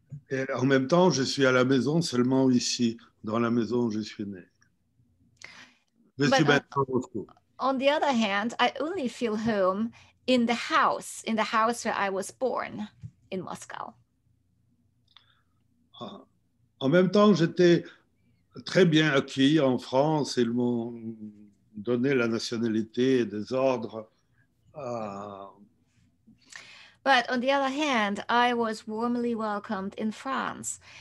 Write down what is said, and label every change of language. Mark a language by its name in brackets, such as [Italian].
[French] Et en même temps, je suis à la maison seulement ici, dans la maison où je suis né. Je suis maintenant à Moscou. [English] On the other hand, I only feel home in the house where I was born, in Moscow. [French] En même temps, j'étais très bien accueilli en France. Ils m'ont donné la nationalité et des ordres. [English] But on the other hand, I was warmly welcomed in France.